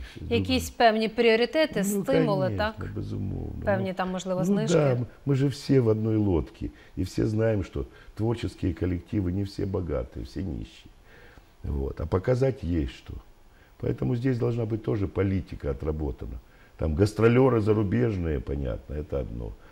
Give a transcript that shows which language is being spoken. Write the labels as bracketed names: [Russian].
[Ukrainian] Якісь певні пріоритети, ну, стимули, [Russian] конечно, [Ukrainian] так? Безумовно. Певні там, можливо, ну, знижки. Да, ми ж всі в одній лодці. І всі знаємо, що творчі колективи не всі багаті, всі нищі. Вот. А показати є що. [Russian] Поэтому здесь должна [Ukrainian] бути теж політика [Russian] отработана. [Ukrainian] Там гастролери зарубіжні, понятно, це одно.